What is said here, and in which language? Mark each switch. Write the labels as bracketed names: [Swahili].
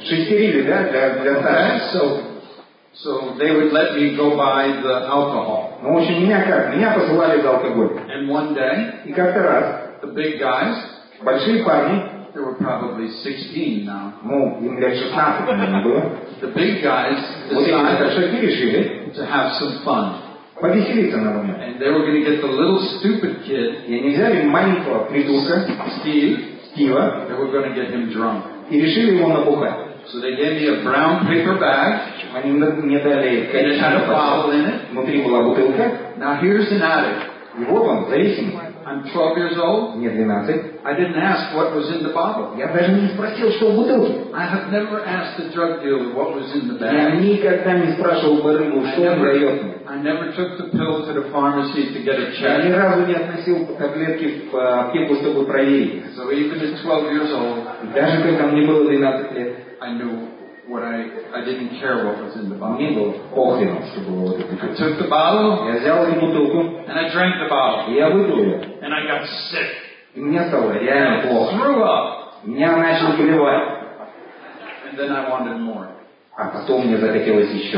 [Russian] Шестерили, да, для старших. [English] So they would let me go buy the alcohol. [Russian] Ну, в общем, меня посылали за алкоголь. [English] And one day, [Russian] и как-то раз, [English] the big guys, [Russian] большие парни, [English] they were probably 16 now. [Russian] Ну, им лет 16, наверное, было. [English] The big guys decided to have some fun. [Russian] Повеселиться, наверное. [English] And they were going to get the little stupid kid, [Russian] и они взяли маленького придурка, [English] Стива, they were going to get him drunk. [Russian] И решили его напухать. [English] So they gave me a brown paper bag. [Russian] Они мне дали внутри была бутылка. [English] Now here's an addict. [Russian] И вот он, зависимый. [English] I'm 12 years old. [Russian] Мне 12. [English] I didn't ask what was in the bottle. [Russian] Я даже не спросил, что в бутылке. [English] I have never asked the drug dealer what was in the bag. [Russian] Я никогда не спрашивал барыгу, что он дает мне. [English] I never took the pill to the pharmacy to get a check. [Russian] Я ни разу не относил таблетки в аптеку, чтобы проверить. [English] So even at 12 years old. [Russian] Даже когда мне было 12 лет. [English] I knew what I didn't care what was in the bottle. [Russian] Мне было похрену, что было в этой бутылке. [English] I took the bottle. [Russian] Я взял эту бутылку. [English] And I drank the bottle. [Russian] И я выпил ее. [English] And I got sick. [Russian] И мне стало реально плохо. [English] I threw up. [Russian] Меня начало поливать. [English] And then I wanted more. [Russian] А потом мне захотелось еще.